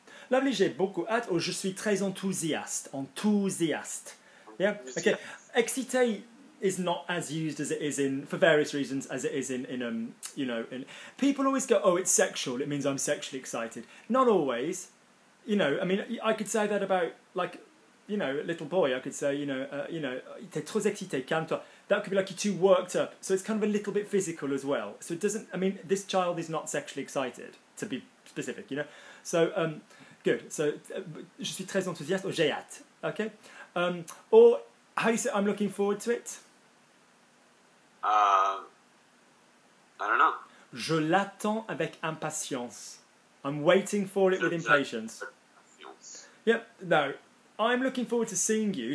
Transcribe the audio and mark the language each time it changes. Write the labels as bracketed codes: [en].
[fr] Lovely, j'ai beaucoup hâte, ou je suis très enthousiaste. [en] Enthousiaste. Yeah, okay. Excité is not as used as it is in, for various reasons, as it is in people always go, oh, it's sexual, it means I'm sexually excited. Not always, you know, I mean, I could say that about, like, you know, a little boy, I could say, [fr] t'es trop excité, calme-toi. [en] That could be like you're too worked up. So it's kind of a little bit physical as well. So it doesn't, I mean, this child is not sexually excited, to be specific, you know. So, good. [fr] So, je suis très enthousiaste, or j'ai hâte, okay? [en] Or, how do you say, I'm looking forward to it? I don't know. [fr] Je l'attends avec impatience. [en] I'm waiting for it with impatience. Yep, no. I'm looking forward to seeing you.